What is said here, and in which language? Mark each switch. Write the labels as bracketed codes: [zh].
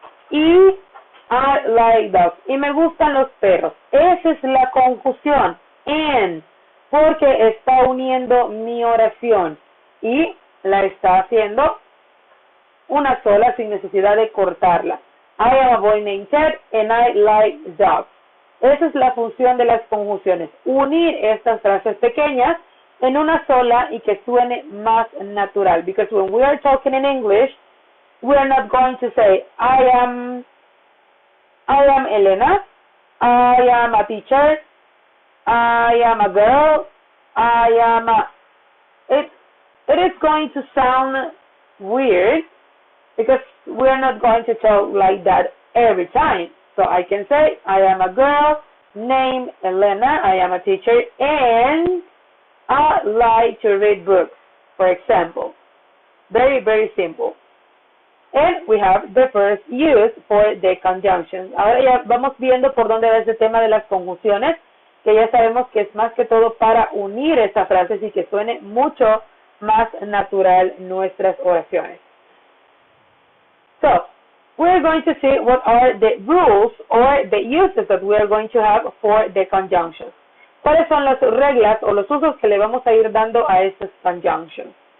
[es] Y [en] I like dogs. [es] Y me gustan los perros. Esa es la conjunción. And. Porque está uniendo mi oración. Y la está haciendo una sola sin necesidad de cortarla. [en] I am a boy named Ted, and I like dogs. [es] Esa es la función de las conjunciones. Unir estas frases pequeñas en una sola y que suene más natural. [en] Because when we are talking in English, we are not going to say, I am Elena, I am a teacher, I am a girl, I am a... It is going to sound weird. Because we're not going to talk like that every time. So I can say, I am a girl named Elena, I am a teacher, and I like to read books, for example. Very, very simple. And we have the first use for the conjunctions. [es] Ahora ya vamos viendo por dónde va ese tema de las conjunciones, que ya sabemos que es más que todo para unir esas frases y que suene mucho más natural nuestras oraciones. [en] So, we're going to see what are the rules or the uses that we are going to have for the conjunctions. [es] ¿Cuáles son las reglas o los usos que le vamos a ir dando a estas conjunctions?